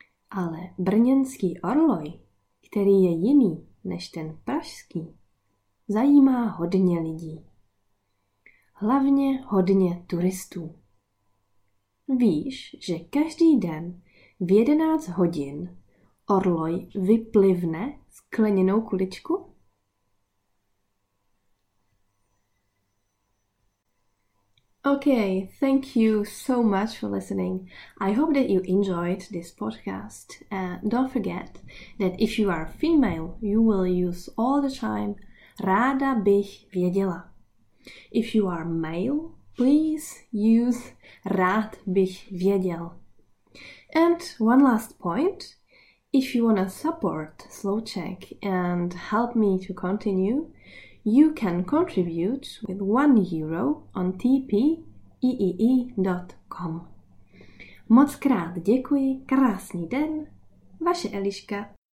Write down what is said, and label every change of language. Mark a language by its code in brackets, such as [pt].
[cs] Ale brněnský orloj, který je jiný než ten pražský, zajímá hodně lidí. Hlavně hodně turistů. Víš, že každý den v 11 hodin orloj vyplivne skleněnou kuličku? [en] Okay, thank you so much for listening. I hope that you enjoyed this podcast. Don't forget that if you are female, you will use all the time [cs] ráda bych věděla. [en] If you are male, please use [cs] rád bych věděl. [en] And one last point. If you want to support SlowCheck and help me to continue, you can contribute with 1 euro on tpeee.com. [cs] Moc krát děkuji, krásný den, vaše Eliška.